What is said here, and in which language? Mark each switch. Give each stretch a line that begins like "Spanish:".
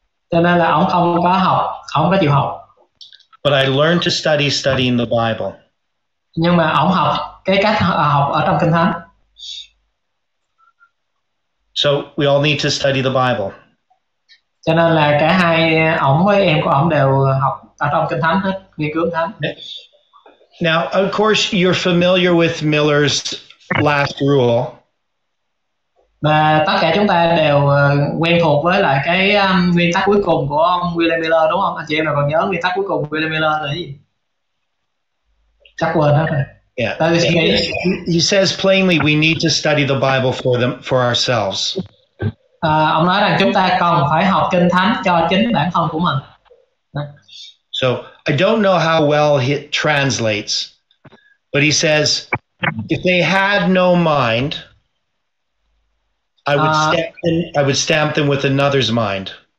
Vietnamese: Cho nên là ổng không có học, không có chịu học.
English: But I learned to study studying the Bible.
Vietnamese: Nhưng mà ổng học cái cách học ở trong Kinh Thánh.
English: So we all need to study the Bible.
Vietnamese: Cho nên là cả hai ổng với em của ổng đều học ở trong Kinh Thánh hết, nghiên cứu Thánh.
English: Now, of course, you're familiar with Miller's last rule.
Vietnamese: Và tất cả chúng ta đều quen thuộc với lại cái nguyên tắc cuối cùng của ông William Miller, đúng không? Anh chị em nào còn nhớ nguyên tắc cuối cùng của William Miller là gì? Chắc quên hết rồi.
English: Yeah. He says plainly, we need to study the Bible for them for ourselves.
Vietnamese: Ông nói rằng chúng ta cần phải học Kinh Thánh cho chính bản thân của mình.
English: So I don't know how well it translates, but he says, if they had no mind, I would stamp them with another's mind.